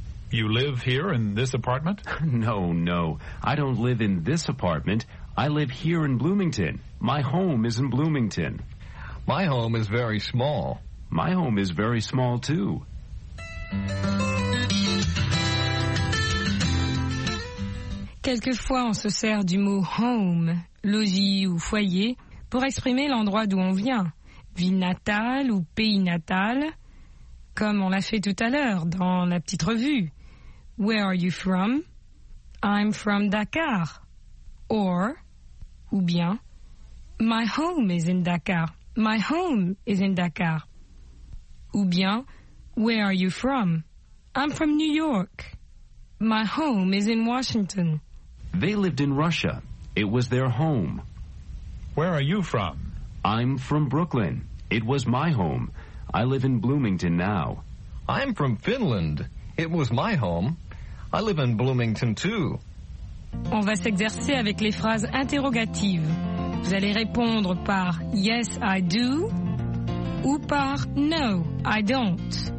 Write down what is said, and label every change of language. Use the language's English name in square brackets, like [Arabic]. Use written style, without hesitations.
[English] You live here in this apartment? No. I don't live in this apartment. I live here in Bloomington. My home is in Bloomington. My home is very small. My home is very small, too. [French] Quelquefois, on se sert du mot home, logis ou foyer, pour exprimer l'endroit d'où on vient, ville natale ou pays natal, comme on l'a fait tout à l'heure dans la petite revue. [English] Where are you from? I'm from Dakar. [French] Ou bien, [English] my home is in Dakar. My home is in Dakar. [French] Ou bien, [English] where are you from? I'm from New York. My home is in Washington. They lived in Russia. It was their home. Where are you from? I'm from Brooklyn. It was my home. I live in Bloomington now. I'm from Finland. It was my home. I live in Bloomington too. [French] On va s'exercer avec les phrases interrogatives. Vous allez répondre par [English] yes, I do, [French] ou par [English] no, I don't.